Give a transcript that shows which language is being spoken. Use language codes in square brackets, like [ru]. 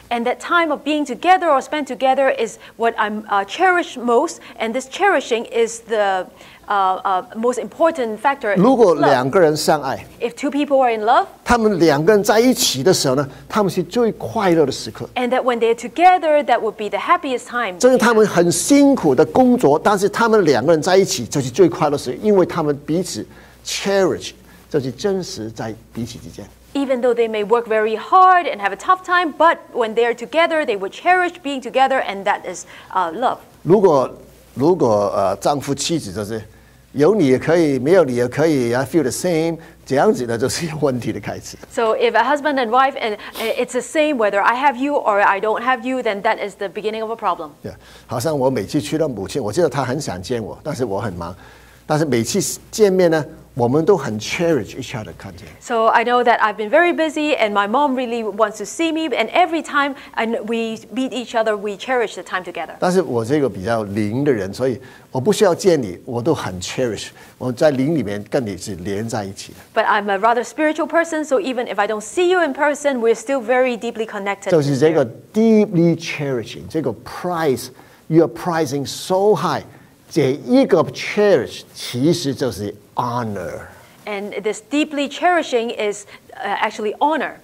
[en] And that time of being together or spent together is what I'm cherish most, and this cherishing is the most important factor. [zh] 如果两个人相爱 [en] ，if two people are in love， [zh] 他们两个人在一起的时候呢，他们是最快乐的时刻。 [en] And that when they're together, that would be the happiest time. [zh] 就是他们很辛苦的工作，但是他们两个人在一起就是最快乐的时刻，因为他们彼此 cherish， 就是真实在彼此之间。 [en] Even though they may work very hard and have a tough time, but when they are together, they would cherish being together, and that is love. [zh] 如果丈夫妻子就是有你也可以，没有你也可以 ， [en] I feel the same， [zh] 这样子呢就是问题的开始。 [en] So if a husband and wife and it's the same whether I have you or I don't have you, then that is the beginning of a problem. [zh] Yeah, 好像我每次去到母亲，我知道她很想见我，但是我很忙，但是每次见面呢。我们都很 [en] cherish each other [zh] 看见。 [en] So I know that I've been very busy, and my mom really wants to see me. And every time and we meet each other, we cherish the time together. [zh] 但是我是一个比较灵的人，所以我不需要见你，我都很 cherish。我在灵里面跟你是连在一起的。 [en] But I'm a rather spiritual person, so even if I don't see you in person, we're still very deeply connected. [zh] 就是这个 [en] deeply cherishing， [zh] 这个 [en] price you're pricing so high， [zh] 这一个 [en] cherish [zh] 其实就是。 [en] Honor, and this deeply cherishing is actually honor.